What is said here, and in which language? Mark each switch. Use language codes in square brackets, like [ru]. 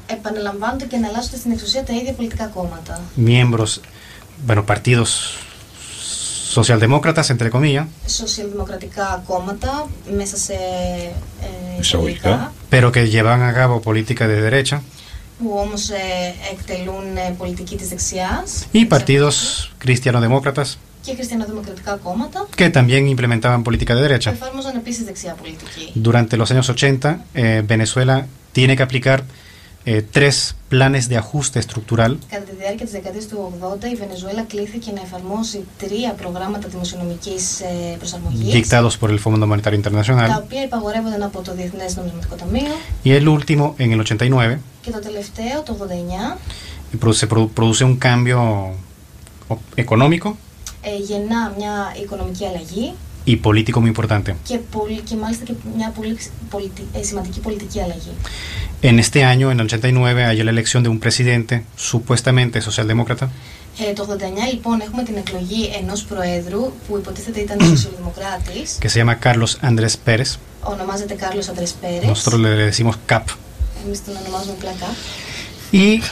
[el] Επαναλαμβάνονται και εναλλάσσονται στην εξουσία τα ίδια πολιτικά κόμματα. [es] Miembros, bueno, partidos socialdemócratas, entre comillas. Socialdemocrática [el] κόμματα μέσα σε εισαγωγικά. [es] Pero que llevan a cabo política de derecha. [el] Που όμως εκτελούν πολιτική της δεξιάς. [es] Ή partidos cristianodemócratas. [el] Και χριστιανοδημοκρατικά κόμματα. [es] Και también implementaban política de derecha. [el] Εφάρμοζαν επίσης δεξιά πολιτική. [es] Durante los años 80, Venezuela tiene que aplicar tres planes de ajuste estructural. [el] Κατά τη διάρκεια της δεκαετίας του 80, η Βενεζουέλα κλήθηκε να εφαρμόσει τρία προγράμματα δημοσιονομικής προσαρμογής. [es] Dictados por el Fondo Monetario Internacional. [el] Τα οποία υπαγορεύονταν από το Διεθνές Νομισματικό Ταμείο. [es] Y el último, en el 89. [el] Και το τελευταίο, το 89. [es] Se produce un cambio económico. [el] Γεννά μια οικονομική αλλαγή. [es] Y político muy importante. [el] Και μάλιστα και μια πολύ σημαντική πολιτική αλλαγή. [es] En este año, en el 89, hay la elección de un presidente supuestamente socialdemócrata. [el] Το 89, λοιπόν, έχουμε την εκλογή ενός προέδρου που υποτίθεται ήταν σοσιαλδημοκράτης. [es] Que se llama Carlos Andrés Pérez. [el] Ονομάζεται Carlos Andrés Pérez. [es] Nosotros le decimos CAP. [el] Εμείς τον ονομάζουμε απλά CAP.